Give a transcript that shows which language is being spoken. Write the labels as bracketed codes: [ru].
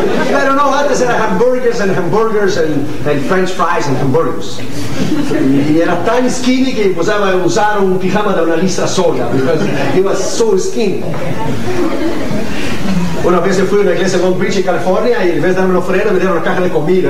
[es] Pero no, antes era [en] hamburgers and hamburgers and french fries and hamburgers. [es] Y era tan skinny que empezaba a usar un pijama de una lista sola. [en] Because it was so skinny. [es] Una vez yo fui a una iglesia en Long Beach, en California, y en vez de darme una ofrenda, me dieron una caja de comida.